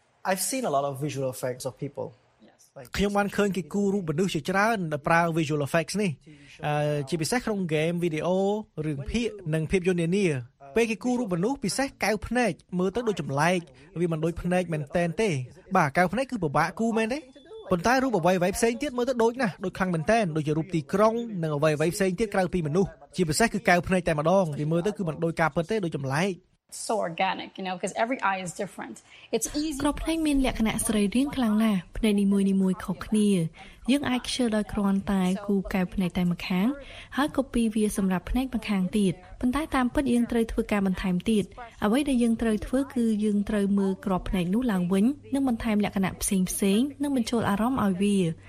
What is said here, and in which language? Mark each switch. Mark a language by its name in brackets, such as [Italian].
[English] I've seen a lot of visual effects of people. [Khmer] ខ្ញុំបានឃើញគេគូររូបមនុស្សជាច្រើនដែលប្រើ visual effects នេះជាពិសេសក្នុង game video រឿងភាគនិងភាពយន្តនានាពេលគេគូររូបមនុស្សពិសេសកៅភ្នែកមើលទៅដូចចម្លែកវាមិនដូចភ្នែកមែនតែនទេបាទកៅភ្នែកគឺពិបាកគូមែនទេប៉ុន្តែរូបអ្វីៗផ្សេងទៀតមើលទៅដូចណាស់ដូចខ្លាំងមែនតែនដូចជារូបទីក្រុងនិងអ្វីៗផ្សេងទៀតក្រៅពីមនុស្សជាពិសេសគឺកៅភ្នែកតែម្ដងវាមើលទៅគឺមិនដូចការពិតទេដូចចម្លែក [English] So organic, you know, because every eye is different. It's easy. [Khmer] គ្រប់ផ្នែកមានលក្ខណៈស្រីរៀងខ្លាំងណាស់ផ្នែកនីមួយនីមួយខុសគ្នាយើងអាចខ្ជិលដោយគ្រាន់តែគូកែវផ្នែកតែម្ខាងហើយ copy វាសម្រាប់ផ្នែកម្ខាងទៀតប៉ុន្តែតាមពិតយើងត្រូវធ្វើការបន្ថែមទៀតអ្វីដែលយើងត្រូវធ្វើគឺយើងត្រូវមើលគ្រប់ផ្នែកនោះឡើងវិញនិងបន្ថែមលក្ខណៈផ្សេងផ្សេងនិងបញ្ចូលអារម្មណ៍ឲ្យវា